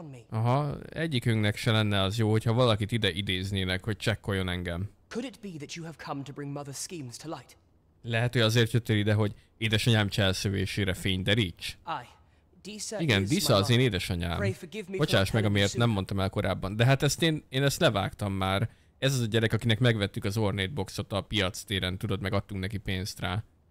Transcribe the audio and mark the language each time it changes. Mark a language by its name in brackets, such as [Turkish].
[Hungarian] Aha, egyikünknek se lenne az jó, hogyha valakit ide idéznének, hogy csekkoljon engem. [English] Could it be that you have come to bring mother's schemes to light? [Hungarian] Lehet, hogy azért jöttél ide, hogy édesanyám cselszövésére fény deríts. Igen, Disa az én édesanyám. Bocsáss meg, amiért nem mondtam el korábban. De hát ezt én ezt levágtam már. Ez az a gyerek, akinek megvettük az Ornate Boxot a piac téren, tudod, meg adtunk neki pénzt rá.